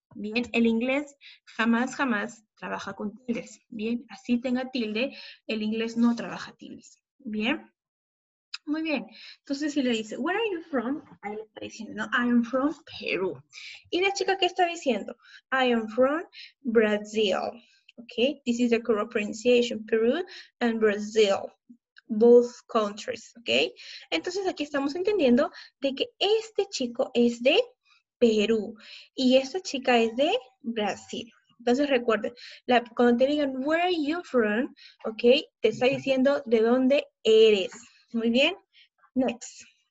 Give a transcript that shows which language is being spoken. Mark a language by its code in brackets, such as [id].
[es] Bien, el inglés jamás, jamás trabaja con tildes. Bien, así tenga tilde, el inglés no trabaja tildes. Bien. Muy bien. Entonces, si le dice, [en] Where are you from? [es] Ahí le está diciendo, ¿no? [en] I am from Perú. [es] ¿Y la chica qué está diciendo? [en] I am from Brazil. Okay, this is the correct pronunciation, Peru and Brazil, both countries, okay? [es] Entonces aquí estamos entendiendo de que este chico es de Perú y esta chica es de Brasil. Entonces recuerden, cuando te digan [en] where are you from, [es] okay, te está diciendo de dónde eres. Muy bien. Next.